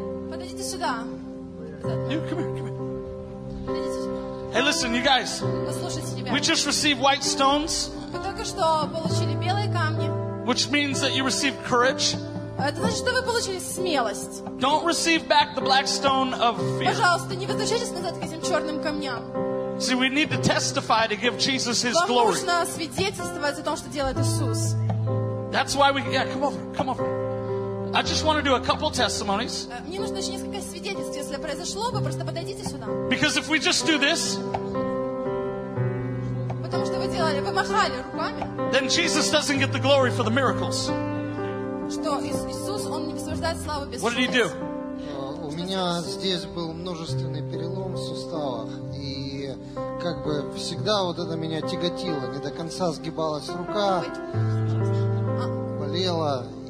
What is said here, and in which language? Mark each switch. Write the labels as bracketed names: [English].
[Russian] Подойдите сюда. [English] You, come here. [Russian] Подойдите сюда. [English] Hey, listen, you guys. [Russian] Послушайте, ребята. [English] We just received white stones. [Russian] Вы только что получили белые камни. [English] Which means that you received courage. [Russian] Это значит, что вы получили смелость. [English] Don't receive back the black stone of fear. [Russian] Пожалуйста, не возвращайтесь назад к этим черным камням. [English] See, we need to testify to give Jesus His glory. [Russian] Вам нужно свидетельствовать о том, что делает Иисус. [English] That's why we... Yeah, come over. Come over. I just want to do a couple testimonies. [Russian] Мне нужно еще несколько свидетельств, если произошло бы, просто подойдите сюда. [English] Because if we just do this, [Russian] потому что вы делали, вы махали руками. [English] Then Jesus doesn't get the glory for the miracles. [Russian] Что Иисус, он не высвобождает славу без. [English] What did he do? [Russian] У меня здесь был множественный перелом в суставах, и как бы всегда вот это меня тяготило, не до конца сгибалась рука, болела.